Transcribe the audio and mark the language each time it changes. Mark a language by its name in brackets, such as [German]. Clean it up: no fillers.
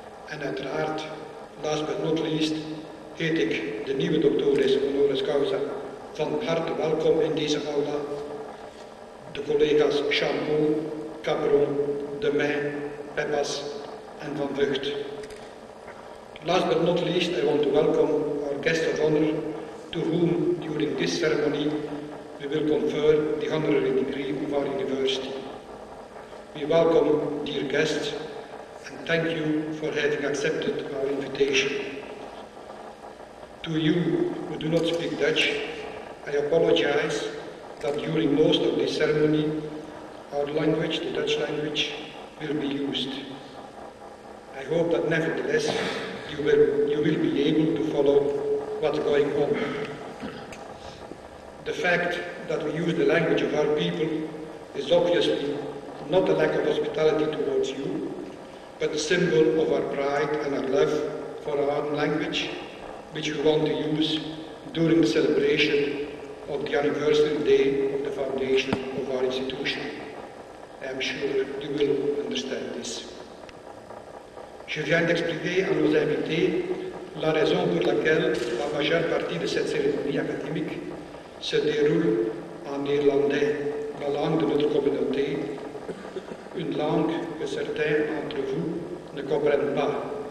[Dutch] En uiteraard, [English] last but not least, [Dutch] heet ik de nieuwe doctores honoris causa van harte welkom in deze aula, de collega's Chambon, Cabron, De Mijn, Peppas en Van Vught. [English] Last but not least, I want to welcome our guest of honor, to whom during this ceremony we will confer the honorary degree of our university. We welcome, dear guests, and thank you for having accepted our invitation. To you who do not speak Dutch, I apologize that during most of this ceremony, our language, the Dutch language, will be used. I hope that nevertheless, you will be able to follow what's going on. The fact that we use the language of our people is obviously not a lack of hospitality towards you, but a symbol of our pride and our love for our own language, which we want to use during the celebration on the anniversary day of the foundation of our institution. I am sure you will understand this. [French] Je viens d'expliquer à nos invités la raison pour laquelle la majeure partie de cette cérémonie académique se déroule en néerlandais, la langue de notre communauté, une langue que certains d'entre vous ne comprennent pas.